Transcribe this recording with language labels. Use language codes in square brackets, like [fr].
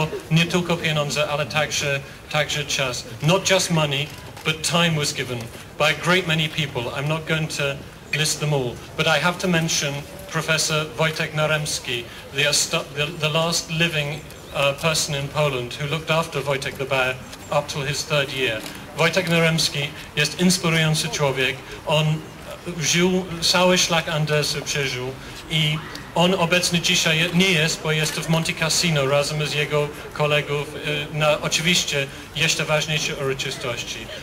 [pl] Nie tylko pieniądze, ale także czas. [en] Not just money, but time was given by a great many people. I'm not going to list them all, but I have to mention Professor Wojtek Naremski, the last living person in Poland who looked after Wojtek the Bear up to his third year. [pl] Wojtek Naremski jest inspirujący człowiek. On żył cały szlak Andersa przeżył i on obecny dzisiaj nie jest, bo jest w Monte Cassino razem z jego kolegów na oczywiście jeszcze ważniejsze uroczystości.